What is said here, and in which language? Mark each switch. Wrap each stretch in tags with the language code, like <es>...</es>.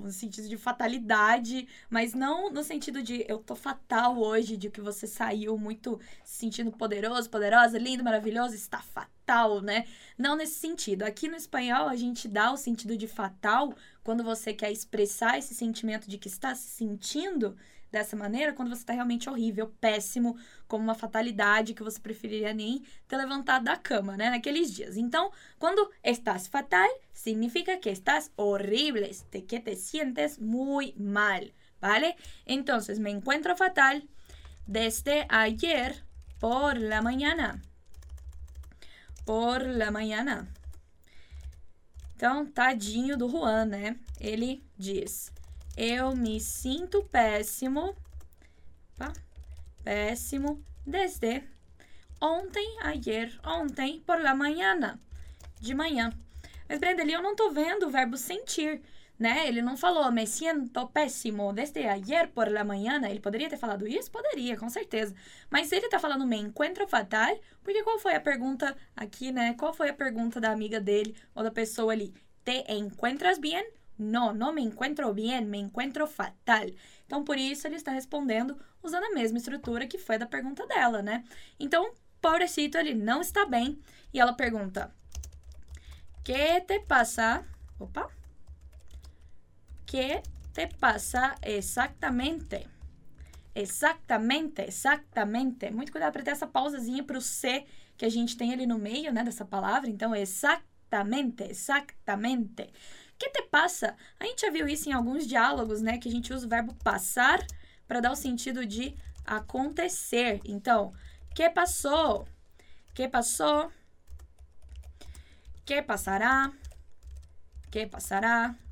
<pt>No sentido de fatalidade. Mas não no sentido de, eu tô fatal hoje, de que você saiu muito se sentindo poderoso, poderosa, lindo, maravilhoso. Está fatal. fatal, né? Não nesse sentido. Aqui no espanhol, a gente dá o sentido de fatal quando você quer expressar esse sentimento de que está se sentindo dessa maneira, quando você está realmente horrível, péssimo, como uma fatalidade que você preferiria nem ter levantado da cama, né? Naqueles dias.</pt> <es>Então, quando estás fatal, significa que estás horrible, que te sientes muy mal, ¿vale? Entonces, me encuentro fatal desde ayer por la mañana. Por la mañana.</es> <pt>Então, tadinho do Juan, né? Ele diz: eu me sinto péssimo. Opa, péssimo desde ontem, ayer, ontem, por la mañana. De manhã. Mas, Brenda, ali eu não tô vendo o verbo sentir, né? Ele não falou:</pt> <es>me siento péssimo desde ayer por la mañana.</es> <pt>Ele poderia ter falado isso? Poderia, com certeza. Mas ele tá falando</pt> <es>me encuentro fatal,</es> <pt>porque qual foi a pergunta aqui, né? Qual foi a pergunta da amiga dele ou da pessoa ali?</pt> <es>Te encuentras bien? No, no me encuentro bien, me encuentro fatal.</es> <pt>Então, por isso, ele está respondendo usando a mesma estrutura que foi da pergunta dela, né? Então, pobrecito, ele não está bem. E ela pergunta:</pt> <es>¿Qué te pasa?</es> <pt>Opa.</pt> <es>¿Qué te pasa exactamente? Exactamente, exactamente.</es> <pt>Muito cuidado para ter essa pausazinha para o C que a gente tem ali no meio, né, dessa palavra. Então,</pt> <es>exactamente, exactamente. ¿Qué te pasa?</es> <pt>A gente já viu isso em alguns diálogos, né, que a gente usa o verbo passar para dar o sentido de acontecer.</pt> <es>Então, ¿qué pasó? ¿Qué pasó? ¿Qué pasará? ¿Qué pasará?</es>